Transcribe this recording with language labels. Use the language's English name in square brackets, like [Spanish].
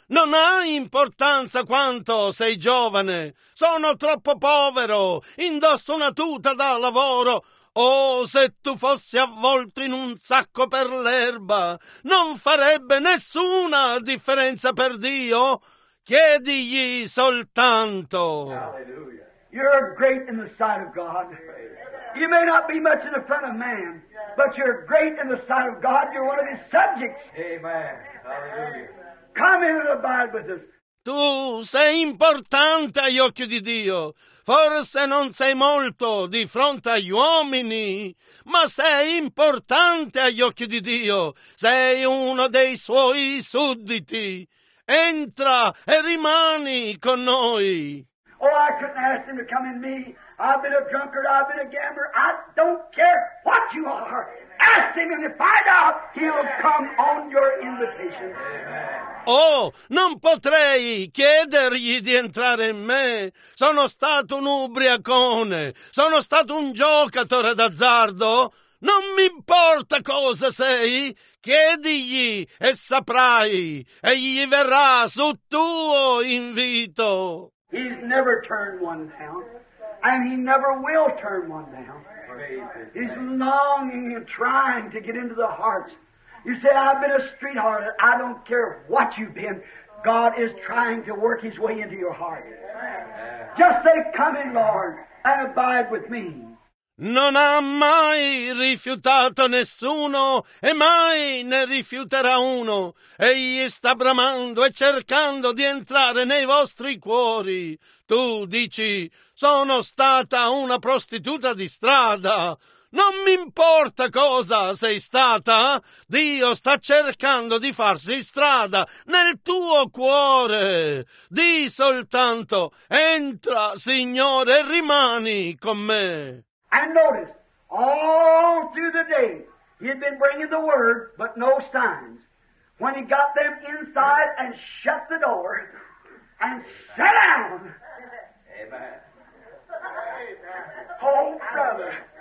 [Italian] Non ha importanza quanto sei giovane. Sono troppo povero. Indosso una tuta da lavoro. Oh, se tu fossi avvolto in un sacco per l'erba, non farebbe nessuna differenza per Dio. Chiedigli soltanto. [English] You're great in the sight of God. You may not be much in the front of man, but you're great in the sight of God. You're one of his subjects. Amen. Hallelujah. Come in and abide with us. [Italian] Tu sei importante agli occhi di Dio. Forse non sei molto di fronte agli uomini, ma sei importante agli occhi di Dio. Sei uno dei suoi sudditi. Entra e rimani con noi. [English] Oh, I couldn't ask him to come in me. I've been a drunkard, I've been a gambler. I don't care what you are. Ask him, and if I doubt, he'll come on your invitation. [Italian] Oh, non potrei chiedergli di entrare in me. Sono stato un ubriacone. Sono stato un giocatore d'azzardo. Non mi importa cosa sei. Chiedigli e saprai. Egli verrà su tuo invito. [English] He's never turned one down, and he never will turn one down. He's longing and trying to get into the hearts. You say, I've been a street harlot. I don't care what you've been. God is trying to work his way into your heart. Just say, come in, Lord, and abide with me. [Italian] Non ha mai rifiutato nessuno e mai ne rifiuterà uno. Egli sta bramando e cercando di entrare nei vostri cuori. Tu dici, sono stata una prostituta di strada. Non mi importa cosa sei stata. Dio sta cercando di farsi strada nel tuo cuore. Di soltanto, entra, Signore, e rimani con me. [English] And notice, all through the day, he had been bringing the word, but no signs. When he got them inside and shut the door and sat down. Amen. Oh, brother.